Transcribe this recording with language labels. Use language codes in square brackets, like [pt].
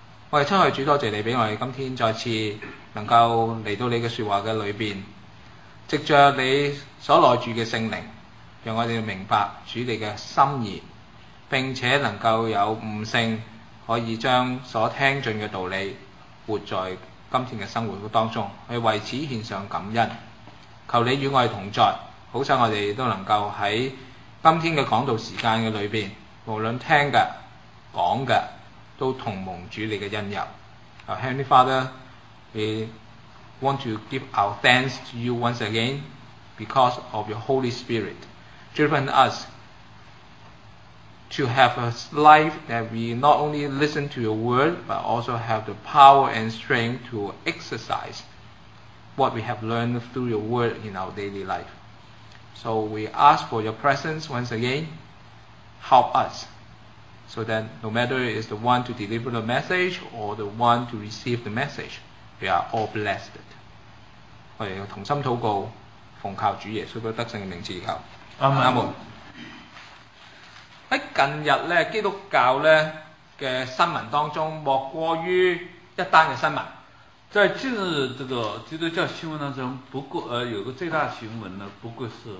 [zh] 我们亲爱的主，多谢你给我们今天再次能够来到你的说话的里面，藉着你所内住的圣灵，让我们明白主你的心意，并且能够有悟性，可以将所听进的道理活在今天的生活当中，去为此献上感恩。求你与我们同在，好使我们都能够在今天的讲道时间的里面，无论听的、讲的，都同蒙主你的恩入。 [en] Heavenly Father, we want to give our thanks to you once again because of your Holy Spirit driven us to have a life that we not only listen to your word, but also have the power and strength to exercise what we have learned through your word in our daily life. So we ask for your presence once again. Help us so that no matter it is the one to deliver the message or the one to receive the message, we are all blessed. [zh] 我们同心祷告，奉靠主耶稣基督得胜的名字祈求。阿门。阿门。在近日呢，基督教呢的新闻当中莫过于一单的新闻。在近日这个基督教新闻当中，不过有个最大新闻呢，不过是